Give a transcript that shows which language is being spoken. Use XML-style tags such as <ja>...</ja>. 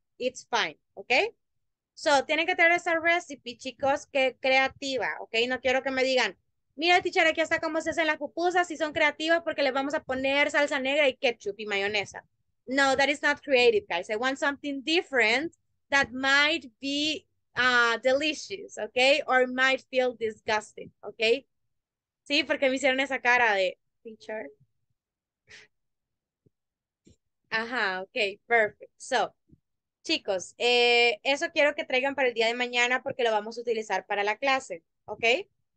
<en>It's fine, okay? So,</en> <es>tienen que tener esa recipe, chicos, que creativa, okay? No quiero que me digan, mira, teacher, aquí está cómo se hacen las pupusas, si son creativas porque les vamos a poner salsa negra y ketchup y mayonesa.</es> <en>No, that is not creative, guys. I want something different that might be delicious, okay? Or might feel disgusting, okay?</en> <es>Sí, porque me hicieron esa cara de teacher. Ajá,</es> <en>okay, perfect. So,</en> <es>chicos, eso quiero que traigan para el día de mañana porque lo vamos a utilizar para la clase, okay?</es>